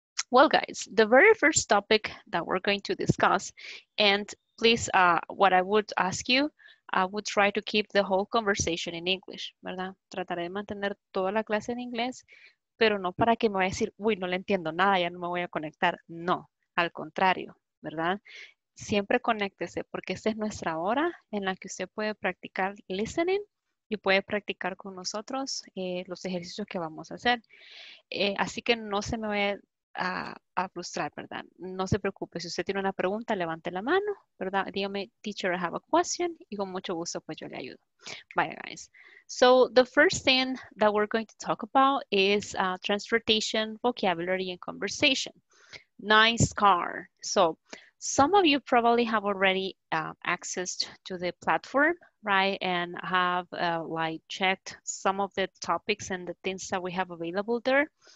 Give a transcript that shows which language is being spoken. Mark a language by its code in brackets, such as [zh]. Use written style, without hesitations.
[en] Well, guys, the very first topic that we're going to discuss, and please, what I would ask you, I would try to keep the whole conversation in English, [es] ¿verdad? Trataré de mantener toda la clase en inglés. Pero no para que me vaya a decir, uy, no le entiendo nada, ya no me voy a conectar. No, al contrario, ¿verdad? Siempre conéctese porque esta es nuestra hora en la que usted puede practicar listening y puede practicar con nosotros los ejercicios que vamos a hacer. Así que no se me vaya a frustrar, ¿verdad? No se preocupe. Si usted tiene una pregunta, levante la mano, ¿verdad? Dígame, teacher, [en] I have a question. [es] Y con mucho gusto, pues yo le ayudo. [en] Bye, guys. So the first thing that we're going to talk about is transportation, vocabulary, and conversation. Nice car. So some of you probably have already accessed to the platform, right? And have like checked some of the topics and the things that we have available there.